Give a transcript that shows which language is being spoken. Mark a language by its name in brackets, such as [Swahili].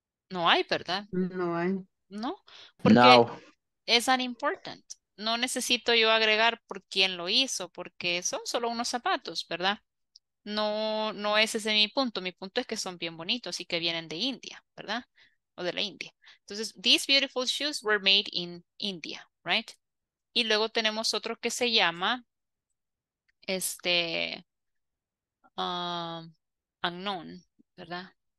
[Spanish] No hay, ¿verdad? No hay. ¿No? Porque es unimportant. No necesito yo agregar por quién lo hizo, porque son solo unos zapatos, ¿verdad? No ese es mi punto. Mi punto es que son bien bonitos y que vienen de India, ¿verdad? O de la India. Entonces, [English] these beautiful shoes were made in India, right? [Spanish] Y luego tenemos otro que se llama unknown, ¿verdad?